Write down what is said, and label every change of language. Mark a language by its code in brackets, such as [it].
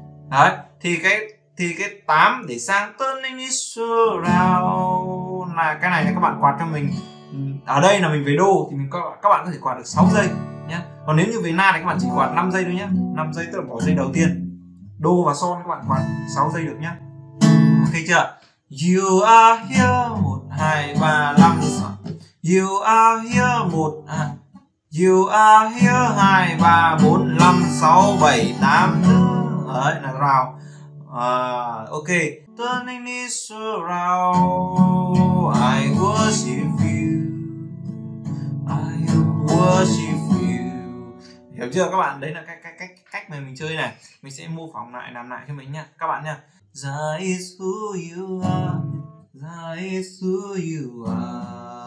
[vi] Đấy, thì cái 8 để sang [en] turning this around. [vi] Là cái này là các bạn quạt cho mình. Ở đây là mình về đô thì các bạn có thể quạt được 6 giây nhé. Còn nếu như về na thì các bạn chỉ quạt 5 giây thôi nhé. 5 giây tức là bỏ giây đầu tiên. Đô và son các bạn quạt 6 giây được nhé. Ok chưa? [en] You are here, 1, 2, 3, 5, 6. You are here, 1, you are here, 2, 3, 4, 5, 6, 7, 8. [vi] Đấy là rào. [en] Ok. Turning this around, I worship you, I worship you. [vi] Hiểu chưa các bạn? Đấy là cách mà mình chơi này. Mình sẽ mô phỏng lại, làm lại cho mình nha các bạn nha. [en] That is who you are, that is who you are.